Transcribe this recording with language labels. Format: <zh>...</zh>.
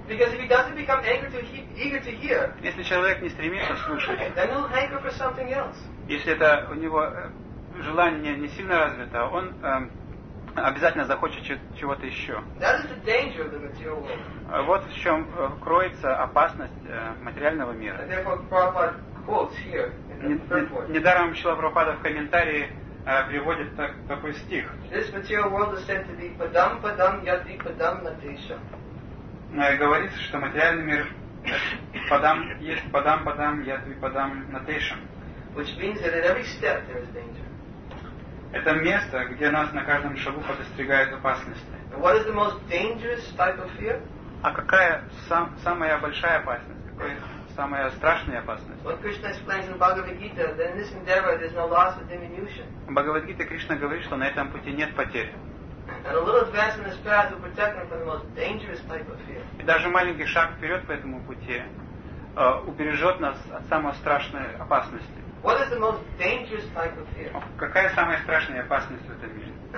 <en>Because if he doesn't become eager to hear,</en> <ru>если человек не стремится слушать,</ru> <en>then he'll hanker for something else.</en> <ru>Если это у него желание не сильно развито, он обязательно захочет чего-то еще.</ru> <en>That is the danger of the material world.</en> <ru>Вот в чем кроется опасность материального мира.</ru> <en>And therefore, Prabhupada quotes here in the third point.</en> <ru>Недаром Шрила Прабхупада в комментарии приводит такой стих.</ru> <en>This material world is said to be padam, padam, yati, padam, natisha.</en> <ru>Говорится, что материальный мир падам, есть падам, падам, ятви, падам, натешам.</ru> <en>Which means that at every step there is danger.</en> <ru>Это место, где нас на каждом шагу подстерегает опасность.</ru> <en>What is the most dangerous type of fear?</en> <ru>А какая самая большая опасность? Какая самая страшная опасность?</ru> <en>What Krishna explains in Bhagavad Gita, that in this endeavor there is no loss or diminution.</en> <ru>В Бхагавад Гите Кришна говорит, что на этом пути нет потерь.</ru> <en>And a little advance in this path will protect them from the most dangerous type of fear.</en> <ru>И даже маленький шаг вперед по этому пути убережет нас от самой страшной опасности.</ru> <en>What is the most dangerous type of fear?</en> <ru>Какая самая страшная опасность в этом мире?</ru>